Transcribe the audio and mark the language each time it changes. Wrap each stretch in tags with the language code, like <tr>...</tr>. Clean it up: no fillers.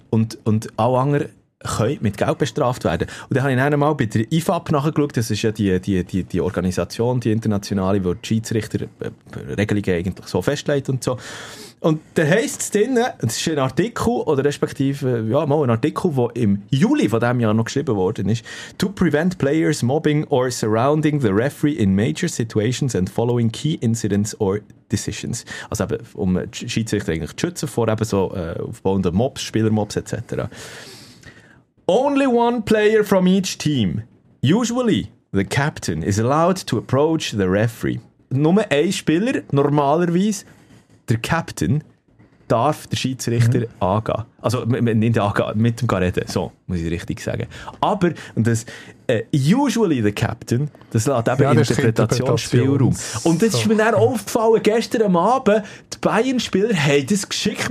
<de>Und alle anderen können mit Geld bestraft werden. Und dann habe ich dann mal bei der IFAB nachgeschaut, das ist ja die Organisation, die internationale, wo die Schiedsrichter Regelungen eigentlich so festlegt und so. Und da heisst es drin, das ist ein Artikel, oder respektive, ja, mal ein Artikel, der im Juli von diesem Jahr noch geschrieben worden ist.</de> <en>To prevent players mobbing or surrounding the referee in major situations and following key incidents or decisions.</en> <de>Also eben, um die Schiedsrichter eigentlich zu schützen vor eben so aufbauenden Mobs, Spielermobs etc.</de> <en>Only one player from each team. Usually, the captain is allowed to approach the referee.</en> <de>Nur ein Spieler, normalerweise, der Captain, darf den Schiedsrichter angehen. Also, nicht angehen, mit dem reden. So, muss ich richtig sagen. Aber, und das</de> <en>usually the captain,</en> <de>das lässt eben Interpretationsspielraum. Und das ist mir dann aufgefallen, gestern Abend, die Bayern-Spieler haben das geschickt.</de>